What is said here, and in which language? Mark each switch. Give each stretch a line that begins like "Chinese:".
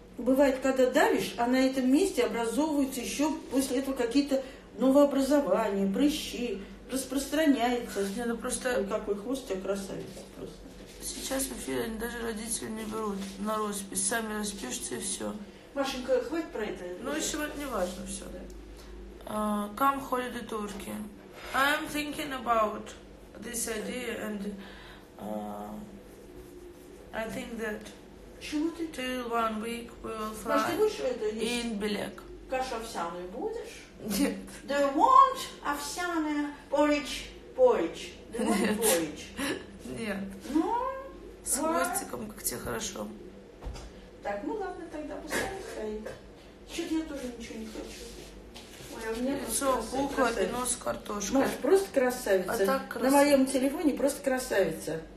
Russian: Бывает, когда давишь, а на этом месте образовываются еще после этого какие-то новообразования, прыщи, распространяются. Не, ну просто... Ой, какой хвост, я красавица просто. Сейчас в эфире они даже родители не берут на роспись. Сами распишутся и все. Машенька, хватит про это. Ну, еще вот не важно все.
English: Come holiday turkey. I'm thinking about this idea and I think that till one week we will fly.
Russian: Маш, ты будешь это есть?
English: In Belek.
Russian: Кашу овсяную будешь? Нет.
English: Do you want
Russian: овсяное
English: porridge? Porridge. Do you want porridge?
Russian: Нет. Ну? С хвостиком, как тебе хорошо. Так, ну ладно, тогда пускай отдыхает. Чё-то я тоже ничего не хочу. Лицо, пухло, нос, картошка. Маш, просто красавица. А так красавица. На моем телефоне просто красавица.